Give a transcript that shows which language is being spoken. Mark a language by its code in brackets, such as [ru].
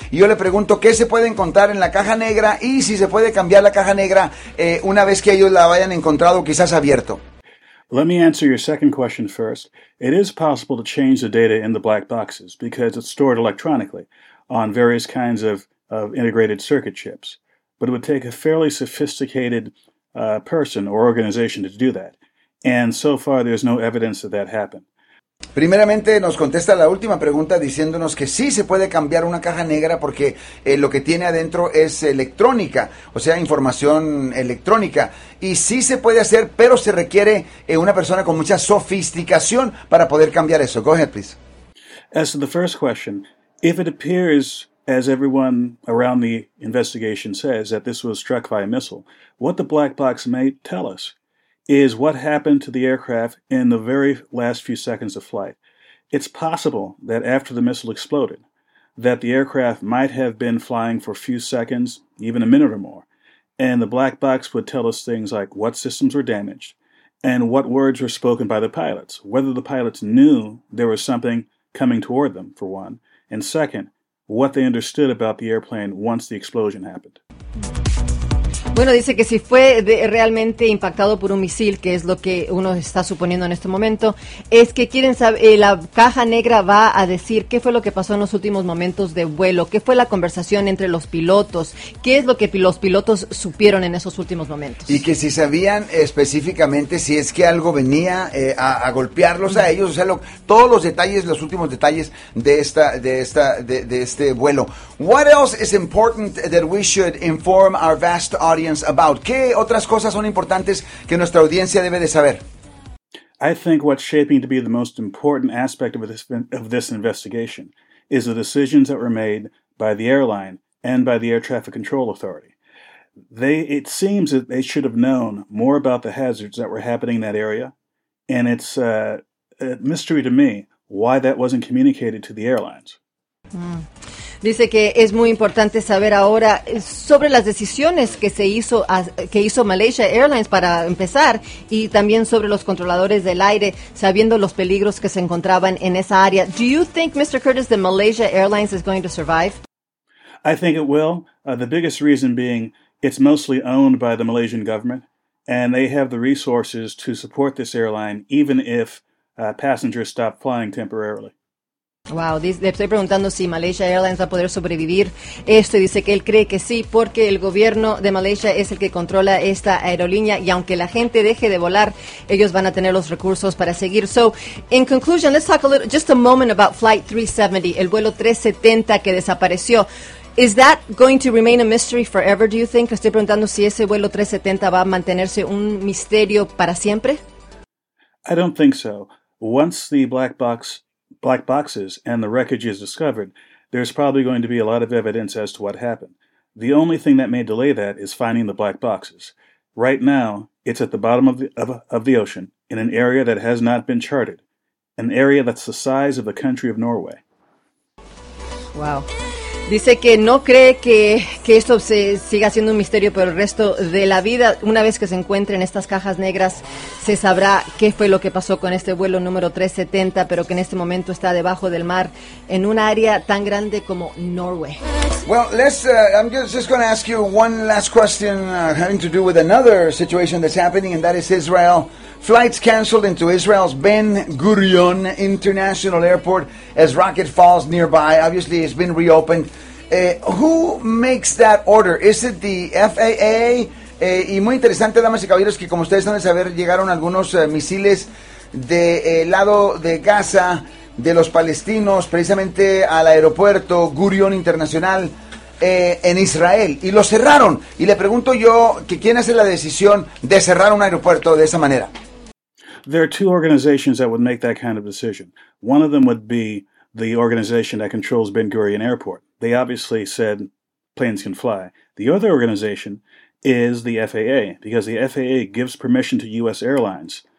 [es] Y yo le pregunto qué se puede encontrar en la caja negra y si se puede cambiar la caja negra una vez que ellos la hayan encontrado, quizás abierto. [en] Let me answer your second question first. It is possible to change the data in the black boxes because it's stored electronically on various kinds of integrated circuit chips. But it would take a fairly sophisticated person or organization to do that. And so far, there's no evidence that that happened. [es] Primeramente nos contesta la última pregunta diciéndonos que sí se puede cambiar una caja negra porque lo que tiene adentro es electrónica, o sea, información electrónica. Y sí se puede hacer, pero se requiere una persona con mucha sofisticación para poder cambiar eso. [en] Go ahead, please. As to the first question, if it appears, as everyone around the investigation says, that this was struck by a missile, what the black box may tell us is what happened to the aircraft in the very last few seconds of flight. It's possible that after the missile exploded, that the aircraft might have been flying for a few seconds, even a minute or more, and the black box would tell us things like what systems were damaged and what words were spoken by the pilots, whether the pilots knew there was something coming toward them, for one, and second, what they understood about the airplane once the explosion happened. [es] Bueno, dice que si fue realmente impactado por un misil, que es lo que uno está suponiendo en este momento, es que quieren saber, la caja negra va a decir qué fue lo que pasó en los últimos momentos de vuelo, qué fue la conversación entre los pilotos, qué es lo que los pilotos supieron en esos últimos momentos. Y que si sabían específicamente si es que algo venía a golpearlos a ellos, o sea, todos los detalles, los últimos detalles de este vuelo. [en] What else is important that we should inform our vast audience about? [es] ¿Qué otras cosas son importantes que nuestra audiencia debe de saber? [en] I think what's shaping to be the most important aspect of this investigation is the decisions that were made by the airline and by the air traffic control authority. It seems that they should have known more about the hazards that were happening in that area, and it's a mystery to me why that wasn't communicated to the airlines. [es] Dice que es muy importante saber ahora sobre las decisiones que hizo Malaysia Airlines para empezar y también sobre los controladores del aire, sabiendo los peligros que se encontraban en esa área. [en] Do you think, Mr. Curtis, that Malaysia Airlines is going to survive? I think it will. The biggest reason being it's mostly owned by the Malaysian government and they have the resources to support this airline even if passengers stop flying temporarily. [es] Wow, le estoy preguntando si Malaysia Airlines va a poder sobrevivir esto y dice que él cree que sí porque el gobierno de Malaysia es el que controla esta aerolínea y aunque la gente deje de volar, ellos van a tener los recursos para seguir. [en] So, in conclusion, let's talk just a moment about Flight 370, [es] el vuelo 370 que desapareció. [en] Is that going to remain a mystery forever, do you think? [es] Estoy preguntando si ese vuelo 370 va a mantenerse un misterio para siempre. [en] I don't think so. Once the black boxes and the wreckage is discovered, there's probably going to be a lot of evidence as to what happened. The only thing that may delay that is finding the black boxes. Right now, it's at the bottom of the ocean in an area that has not been charted, an area that's the size of the country of Norway. Wow. [es] Dice que no cree que esto se siga siendo un misterio por el resto de la vida. Una vez que se encuentren estas cajas negras, se sabrá qué fue lo que pasó con este vuelo número 370, pero que en este momento está debajo del mar en un área tan grande como Norway. [en] Well, I'm just going to ask you one last question having to do with another situation that's happening, and that is Israel. Flights canceled into Israel's Ben Gurion International Airport as rocket falls nearby. Obviously, it's been reopened. Who makes that order? Is it the FAA? [es] Y muy interesante, damas y caballeros, que como ustedes han de saber, llegaron algunos misiles de lado de Gaza, de los palestinos, precisamente al aeropuerto Gurion Internacional en Israel, y lo cerraron. Y le pregunto yo, que ¿quién hace la decisión de cerrar un aeropuerto de esa manera? [en] There are two organizations that would make that kind of decision. One of them would be the organization that controls Ben Gurion Airport. They obviously said planes can fly. The other organization is the FAA, because the FAA gives permission to U.S. airlines